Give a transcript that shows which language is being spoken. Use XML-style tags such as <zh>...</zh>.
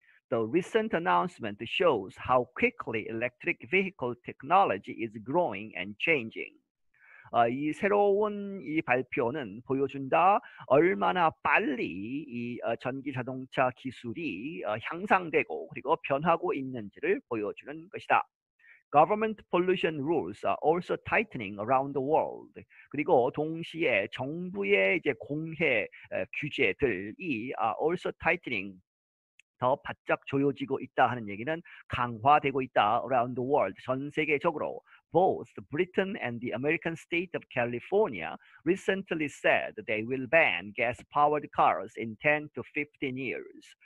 <en>The recent announcement shows how quickly electric vehicle technology is growing and changing.</en> <ko>이 새로운 이 발표는 보여준다. 얼마나 빨리 이 전기 자동차 기술이 향상되고 그리고 변하고 있는지를 보여주는 것이다.</ko> <en>Government pollution rules are also tightening around the world.</en> <ko>그리고 동시에 정부의 이제 공해 규제들이</ko> <en>are also tightening.</en> <ko>더 바짝 조여지고 있다 하는 얘기는 강화되고 있다.</ko> <en>Around the world,</en> <ko>전 세계적으로.</ko> <en>Both Britain and the American state of California recently said they will ban gas-powered cars in 10 to 15 years.</en>